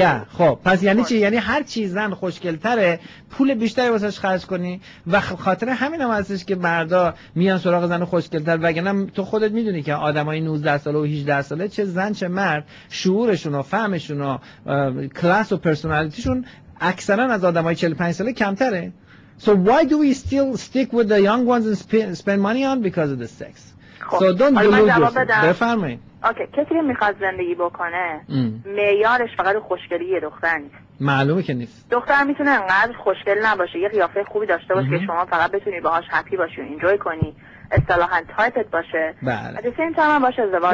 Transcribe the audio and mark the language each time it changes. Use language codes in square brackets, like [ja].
[fa] خب پس یعنی چی؟ یعنی هر چیز زن خوشگلتره پول بیشتری واسش خرج کنی. و خاطر همین هم هستش که مردا میان سراغ زن خوشگلتر. وگرنه تو خودت میدونی که آدمای 19 ساله و 18 ساله چه زن چه مرد، شعورشون و فهمشون و کلاس و پرسونالیتیشون اکثرا از آدمای 45 ساله کمتره. [en] So why do we still stick with the young ones and spend money on because of the sex? So don't delude yourself. [fa] بفرمایید. اوکی، کسی که میخواد زندگی بکنه معیارش فقط خوشگلی یه دختر نیست. معلومه که نیست. دختر میتونه انقدر خوشگل نباشه، یه قیافه خوبی داشته باشه که شما فقط بتونی باهاش هپی باشی و انجوی کنی، اصطلاحاً تایپت باشه. بله. اگه سیم تایم باشه ازدواج